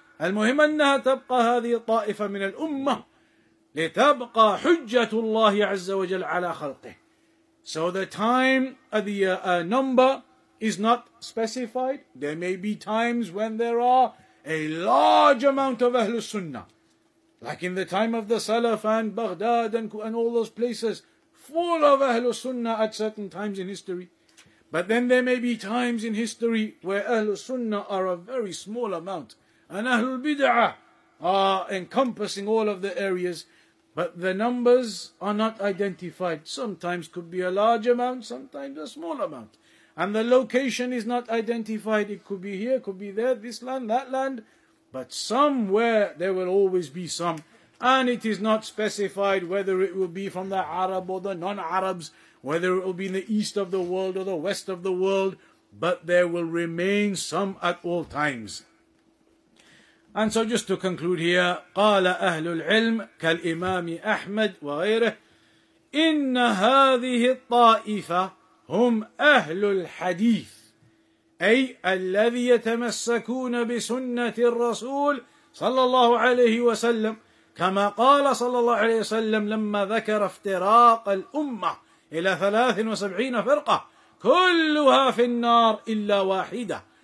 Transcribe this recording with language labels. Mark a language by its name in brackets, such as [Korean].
[Arabic] المهم أنها تبقى هذه الطائفة من الأمة لتبقى حجة الله عز وجل على خلقه. [English] So the time, the number, is not specified. There may be times when there are a large amount of Ahlus Sunnah, like in the time of the Salaf and Baghdad and all those places, full of Ahlus Sunnah at certain times in history. But then there may be times in history where Ahlus Sunnah are a very small amount, and Ahlul Bid'ah are encompassing all of the areas, but the numbers are not identified. Sometimes could be a large amount, sometimes a small amount. And the location is not identified. It could be here, could be there, this land, that land. But somewhere there will always be some. And it is not specified whether it will be from the Arab or the non-Arabs, whether it will be in the east of the world or the west of the world, but there will remain some at all times. And so just to conclude here, [Arabic] قال أهل العلم كالإمام أحمد وغيره إن هذه الطائفة هم أهل الحديث أي الذي يتمسكون بسنة الرسول صلى الله عليه وسلم كما قال صلى الله عليه وسلم لما ذكر افتراق الأمة إلى 73 فرقة كلها في النار إلا واحدة.